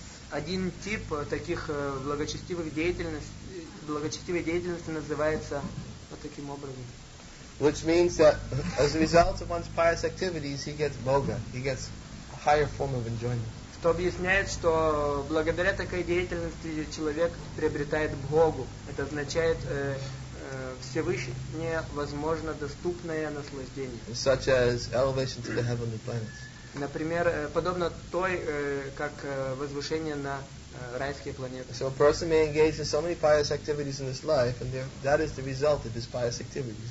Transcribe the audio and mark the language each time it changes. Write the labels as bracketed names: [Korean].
[Russian] Один тип таких благочестивой деятельности называется вот таким образом. [English] Which means that as a result of one's pious activities, he gets bhoga, he gets a higher form of enjoyment. [Russian] Что объясняет, что благодаря такой деятельности человек приобретает бхогу. Это означает всевышнее, возможно, доступное наслаждение. [English] Such as elevation to the heavenly planets. [Russian] Например, подобно той, как возвышение на райские планеты. [English] So a person may engage in so many pious activities in this life, and that is the result of his pious activities.